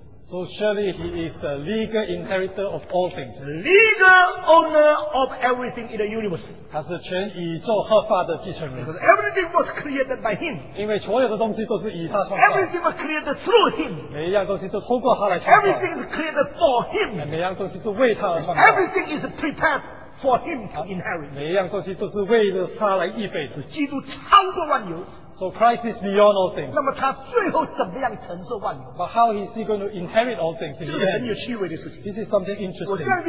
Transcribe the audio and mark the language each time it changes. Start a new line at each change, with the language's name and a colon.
English: So surely he is the legal inheritor of all things. Legal owner of everything in the universe.
Chinese: 他是全宇宙合法的继承人。
English: Because everything was created by him.
Chinese: 因为所有的东西都是以他创造。
English: Everything was created through him.
Chinese: 每一样东西都通过他来创造。
English: Everything is created for him.
Chinese: 每一样东西是为他而创造。
English: Everything is prepared for him to inherit.
Chinese: 每一样东西都是为了他来预备的。基督超过万有。
English: So Christ is beyond all things.
Chinese: 那么他最后怎么样承受万有?
English: But how is he going to inherit all things? In
Chinese: 这是很有趣味的事情。
English: This is something interesting.